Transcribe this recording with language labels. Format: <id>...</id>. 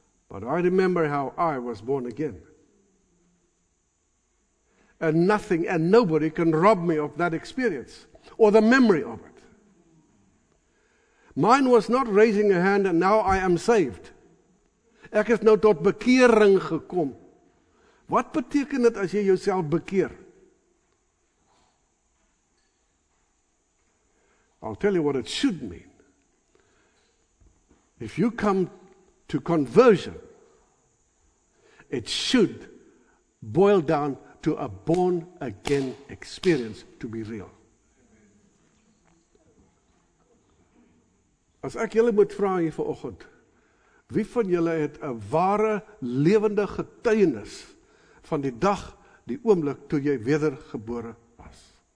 <en>But I remember how I was born again. And nothing and nobody can rob me of that experience or the memory of it. Mine was not raising a hand and now I am saved.</en> <af>Ek is nou tot bekering gekom. Wat beteken dit as jy jouself bekeer?</af> <en>I'll tell you what it should mean. If you come to conversion, it should boil down to a born again experience to be real.</en> <af>As ek julle moet vra hier vanoggend, wie van julle het 'n ware lewende getuienis van die dag, die oomblik toe jy wedergebore was?</af>